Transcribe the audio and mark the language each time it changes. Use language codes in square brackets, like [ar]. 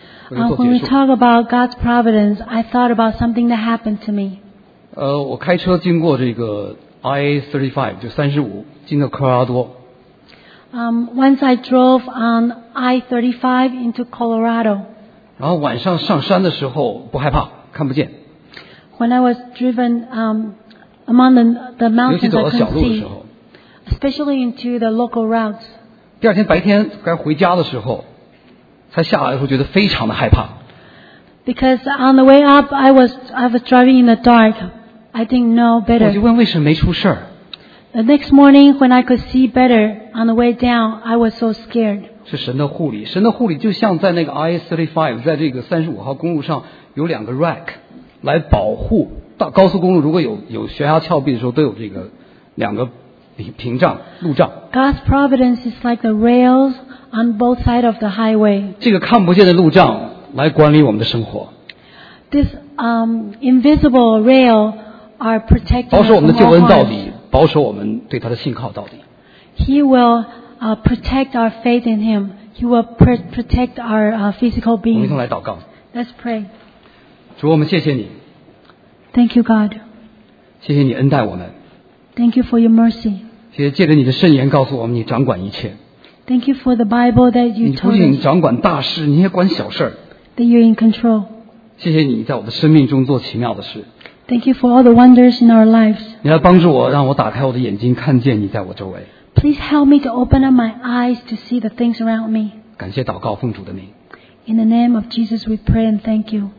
[en] When we talk about God's providence, I thought about something that happened to me. [zh] 我开车经过这个 I-35, 就35，经过科罗拉多。 [en] Once I drove on I-35 into Colorado. [zh] 然后晚上上山的时候不害怕，看不见。 [en] When I was driven among the mountains, [zh] 尤其走到小路的时候。 [en] Especially into the local routes. [zh] 第二天白天该回家的时候。才下来的时候觉得非常的害怕。 [en] Because on the way up, I was driving in the dark. I didn't know better. [zh] 我就问为什么没出事。 [en] The next morning, when I could see better on the way down, I was so scared. [zh] 是神的护理，神的护理就像在那个 I-35， 在这个35号公路上有两个 rack 来保护。到高速公路如果有悬崖峭壁的时候，都有这个两个屏障路障。 [en] God's providence is like the rails. On both sides of the highway. [zh] 这个看不见的路障来管理我们的生活。 [en] This invisible rail are protecting. [zh] 保守我们的救恩到底，保守我们对他的信靠到底。 [en] He will protect our faith in him. He will protect our physical being. [zh] 我们一同来祷告。 [en] Let's pray. [zh] 主，我们谢谢你。 [en] Thank you, God. [zh] 谢谢你恩待我们。 [en] Thank you for your mercy. [zh] 谢谢借着你的圣言告诉我们，你掌管一切。 [en] Thank you for the Bible that you told me. [zh] 你不仅掌管大事，你也管小事。 [en] That you're in control. [zh] 谢谢你在我的生命中做奇妙的事。 [en] Thank you for all the wonders in our lives. [zh] 你来帮助我，让我打开我的眼睛，看见你在我周围。 [en] Please help me to open up my eyes to see the things around me. [zh] 感谢祷告，奉主的名。 [en] In the name of Jesus, we pray and thank you.